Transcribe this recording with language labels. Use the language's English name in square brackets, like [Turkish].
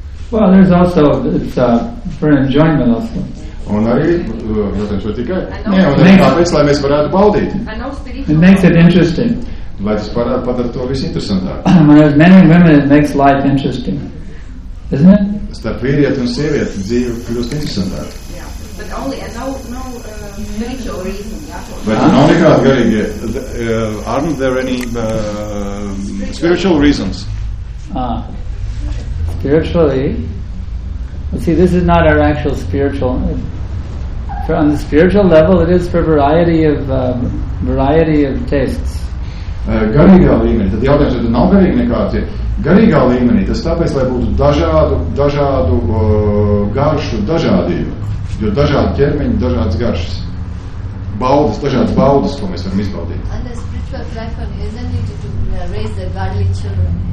[English] Well, there's also, it's for enjoyment also. [Latvian] Un arī, protams, vai tikai? Nē, un arī tāpēc, lai mēs varētu baudīt. [English] It makes it interesting. [Latvian] Lai tas padara to visu interesantāk. [English] When there's men and women, it makes life interesting. Isn't it? [Latvian] Starp vīrieti un sievieti dzīve kļūst interesantāk. [English] But only and no spiritual reason. But aren't there any spiritual reasons? Spiritually, see, this is not our actual spiritual. For on the spiritual level, it is for variety of tastes. [Latvian] Garīgā līmenī, tad jautājums, tad nav garīgi nekārtie. Garīgā līmenī, tas tāpēc, lai būtu dažādu garšu dažādību. Jo dažādi ķermeņi, dažādas garšas. Baudas, dažādas baudas, ko mēs varam izbaudīt. [English] And the spiritual platform, isn't it to raise the godly children?